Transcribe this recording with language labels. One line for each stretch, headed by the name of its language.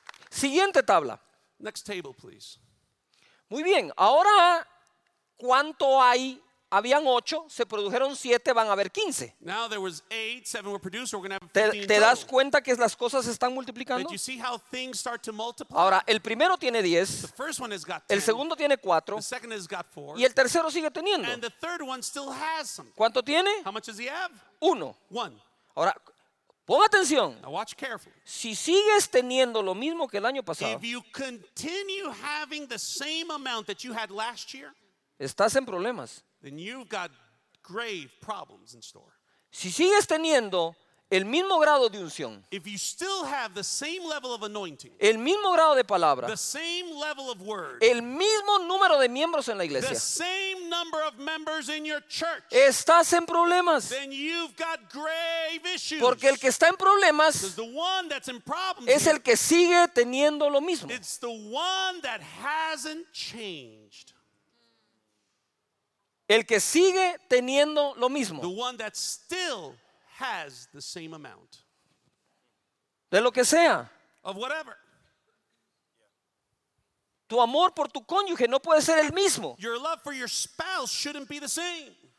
Spanish: Siguiente tabla.
English: Next table, please.
Spanish: Muy bien, ahora ¿cuánto hay? Habían 8, se produjeron 7, van a haber 15.
English: Now there was 8, 7 were produced, so we're going to have 15.
Spanish: ¿Te das cuenta que las cosas están multiplicando?
English: Did you see how things start to multiply?
Spanish: Ahora, el primero tiene 10.
English: The first one has got 10.
Spanish: El segundo tiene 4.
English: The second has got 4.
Spanish: Y el tercero sigue teniendo.
English: And the third one still has some.
Spanish: ¿Cuánto tiene?
English: How much does he have?
Spanish: 1.
English: 1.
Spanish: Ahora, ponga atención.
English: Now watch carefully.
Spanish: Si sigues teniendo lo mismo que el año pasado,
English: if you continue having the same amount that you had last year,
Spanish: estás en problemas.
English: Then you've got grave problems in store.
Spanish: Si sigues teniendo el mismo grado de unción,
English: if you still have the same level of anointing,
Spanish: el mismo grado de palabra,
English: the same level of word,
Spanish: el mismo número de miembros en la iglesia,
English: the same number of members in your church,
Spanish: estás en problemas.
English: Then you've got grave issues.
Spanish: Porque el que está en problemas,
English: the one that's in problems,
Spanish: es el que sigue teniendo lo mismo.
English: It's the one that hasn't changed.
Spanish: El que sigue teniendo lo mismo.
English: The one that still has the same amount.
Spanish: De lo que sea.
English: Of whatever.
Spanish: Tu amor por tu cónyuge no puede ser el mismo.
English: Your love for your spouse shouldn't be the same.